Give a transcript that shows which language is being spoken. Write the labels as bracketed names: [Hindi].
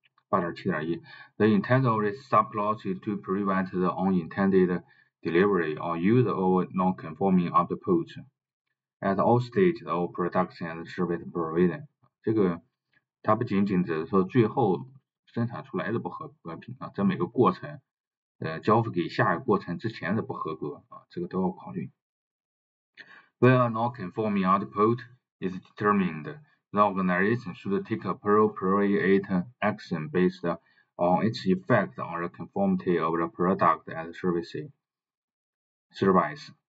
[English] 8.7.1, the intent of this subclause is to prevent the unintended delivery or use of non-conforming outputs at all stages of production and service provision. [Chinese] 这个它不仅仅只是说最后生产出来的不合格品啊，在每个过程，交付给下一个过程之前的不合格啊，这个都要考虑。 [English] Where a non-conforming output is determined, the organization should take appropriate action based on its effect on the conformity of the product and service.